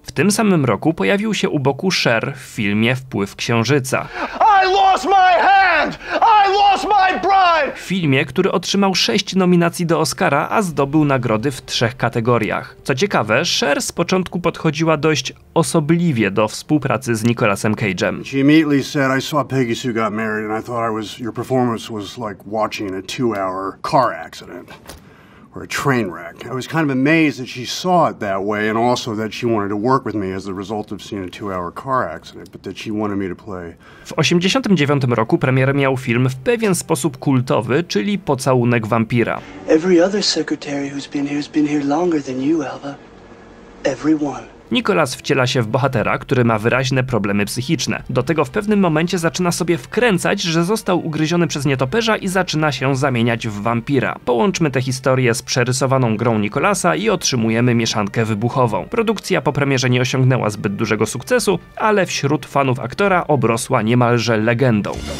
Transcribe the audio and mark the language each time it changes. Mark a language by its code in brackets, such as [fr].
[pl] W tym samym roku pojawił się u boku Cher w filmie Wpływ Księżyca. [en] I lost my hand! I lost my bride! [pl] W filmie, który otrzymał 6 nominacji do Oscara, a zdobył nagrody w 3 kategoriach. Co ciekawe, Cher z początku podchodziła dość osobliwie do współpracy z Nicolasem Cage'em. [en] She immediately said, I saw Peggy Sue got married and I thought I was... Your performance was like watching a 2-hour car accident or a train wreck. I was kind of amazed that she saw it that way and also that she wanted to work with me as the result of seeing a 2-hour car accident, but that she wanted me to play. [pl] W 1989 roku premierę miał film w pewien sposób kultowy, czyli Pocałunek Wampira. [en] Every other secretary who's been here has been here longer than you, Elva. Everyone. [pl] Nicolas wciela się w bohatera, który ma wyraźne problemy psychiczne. Do tego w pewnym momencie zaczyna sobie wkręcać, że został ugryziony przez nietoperza i zaczyna się zamieniać w wampira. Połączmy tę historię z przerysowaną grą Nicolasa i otrzymujemy mieszankę wybuchową. Produkcja po premierze nie osiągnęła zbyt dużego sukcesu, ale wśród fanów aktora obrosła niemalże legendą.